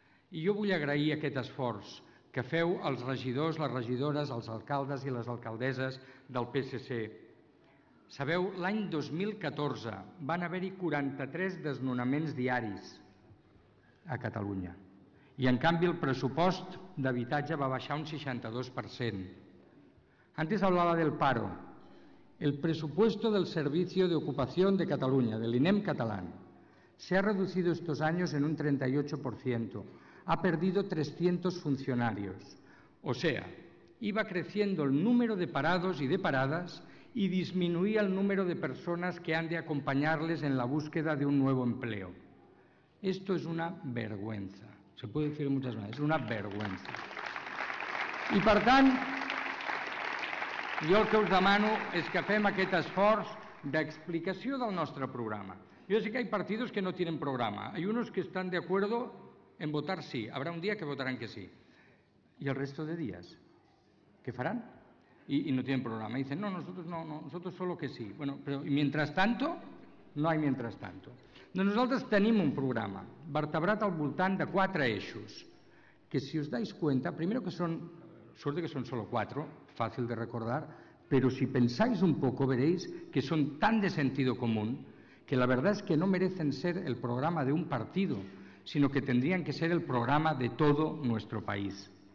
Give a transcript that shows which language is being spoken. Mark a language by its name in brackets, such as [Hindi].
[Catalan] I jo vull agrair aquest esforç que feu els regidors, les regidores, els alcaldes i les alcaldesses del PSC. Sabeu, l'any 2014 van haver-hi 43 desnonaments diaris a Catalunya i, en canvi, el pressupost d'habitatge va baixar un 62%. [Spanish] Antes hablaba del paro. El presupuesto del Servicio de Ocupación de Cataluña, del INEM catalán, se ha reducido estos años en un 38%. Ha perdido 300 funcionarios. O sea, iba creciendo el número de parados y de paradas y disminuía el número de personas que han de acompañarles en la búsqueda de un nuevo empleo. Esto es una vergüenza. Se puede decir de muchas maneras, es una vergüenza. [Catalan] Y per tant, jo el que us demano és que fem aquest esforç d'explicació del nostre programa. Jo sé que hi ha partits que no tenen programa. Hi ha uns que estan d'acord en votar sí. Habrá un dia que votaran que sí. I [Spanish] el resto [Catalan] de dies, què faran? [Spanish] Y no tienen programa. Y dicen, nosotros solo que sí. Bueno, pero mientras tanto, no hay mientras tanto. [Catalan] Doncs nosaltres tenim un programa vertebrat al voltant de quatre eixos, [Spanish] que si us dais cuenta, primero que son, suerte que son solo cuatro, fácil de recordar, pero si pensáis un poco veréis que son tan de sentido común que la verdad es que no merecen ser el programa de un partido, sino que tendrían que ser el programa de todo nuestro país.